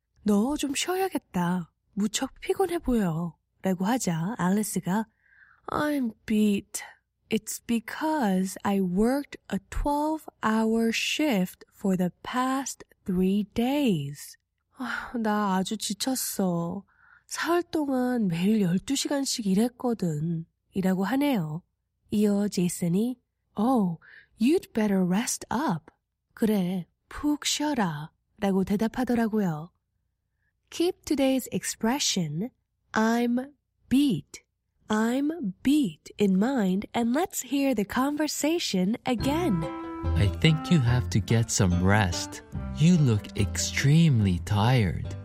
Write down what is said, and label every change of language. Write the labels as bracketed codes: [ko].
[ko] 너 좀 쉬어야겠다. 무척 피곤해 보여. 라고 하자 알리스가 [en] I'm beat. It's because I worked a 12-hour shift for the past 3 days. [ko] 나 아주 지쳤어. 사흘 동안 매일 12시간씩 일했거든. 이라고 하네요. 이어 제이슨이 [en] Oh, you'd better rest up. [ko] 그래, 푹 쉬어라 라고 대답하더라고요. [en] Keep today's expression I'm beat. I'm beat in mind and let's hear the conversation again. I think you have to get some rest. You look extremely tired.